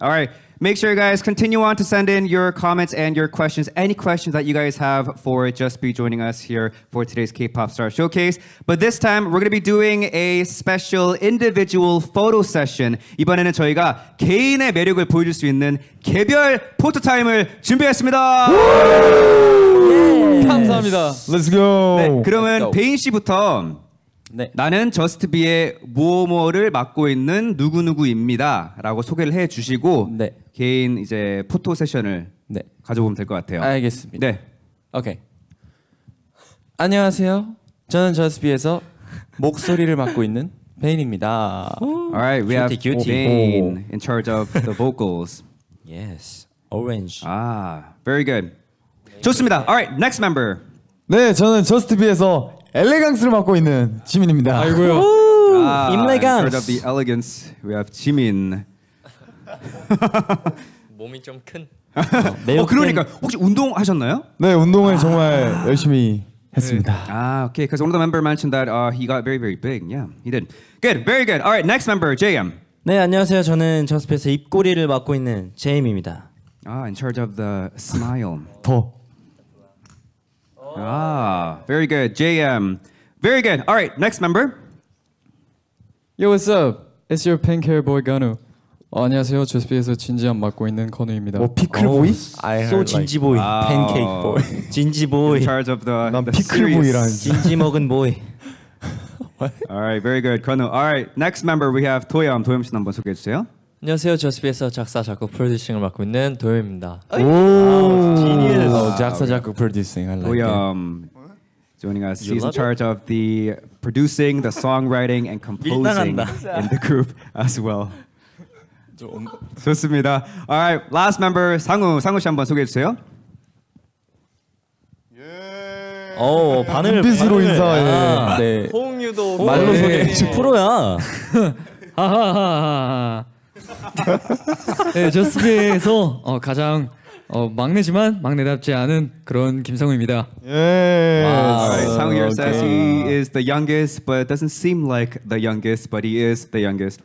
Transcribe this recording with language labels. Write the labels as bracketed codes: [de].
[en] Alright, make sure you guys continue on to send in your comments and your questions, any questions that you guys have for JUSTB joining us here for today's K-pop Star Showcase. But this time, we're going to be doing a special individual photo session. [ko] 이번에는 저희가 개인의 매력을 보여줄 수 있는 개별 포토 타임을 준비했습니다. 감사합니다. [en] Let's go. [ko] 네, 그러면 베인 씨부터 네. 나는 JUSTB의 뭐뭐를 맡고 있는 누구누구입니다 라고 소개를 해주시고 네. 개인 이제 포토 세션을 네. 가져보면 될 것 같아요. 알겠습니다. 네. 오케이. 안녕하세요. 저는 JUSTB에서 목소리를 맡고 있는 베인입니다. [en] Alright, we have Bain in charge of the vocals. Yes, orange. Ah, very good. [ko] 좋습니다. [en] Alright, next member. [ko] 네, 저는 JUSTB에서 엘레강스를 맡고 있는 지민입니다. 아이고요. [en] In charge of the elegance, we have Jimin. [ko] 몸이 좀 큰. 어, 그러니까 혹시 운동하셨나요? 네, 운동을 정말 열심히 했습니다. 아, okay. [en] Because one of the member mentioned that he got very, very big. Yeah, he did. Good, very good. All right, next member, JM. [ko] 네, 안녕하세요. 저는 저스피에서 입꼬리를 맡고 있는 JM입니다. [en] 아, in charge of the smile. [ko] 더. [en] 아, very good, JM. Very good. All right, next member. Yo, what's up? It's your pink hair boy, Ganu. [ko] 어, 안녕하세요. 저스피에서 진지함 맡고 있는 건우입니다. 어, 피클 보이? So 진지 보이. 팬케이크 보이. 진지 보이. [en] In charge of the [ko] 난 피클 보이라는 진지 먹은 보이. [en] What? All right, very good, 건우. All right, next member we have 도염. [ko] 도염 씨 한번 소개해 주세요. 안녕하세요. 저스피에서 작사 작곡 프로듀싱을 맡고 있는 도염입니다. 오, [en] genius. [ko] 작사 작곡 프로듀싱 할래. 도염. [en] Joining us, he's in charge of the producing, the songwriting, and composing in the group as well. [ko] 좋습니다. [en] All right, last member, 상우. [ko] 상우 씨 한번 소개해 주세요. 예. 오, 반응을 눈빛으로 인사해. 네. 호응유도 말로 소개. 지금 프로야. 하하하하. 네, 저스피에서 가장 막내지만 막내답지 않은 그런 김상우입니다. 예. [en] 상우 here says he is the youngest, but doesn't seem like the youngest, but he is the youngest.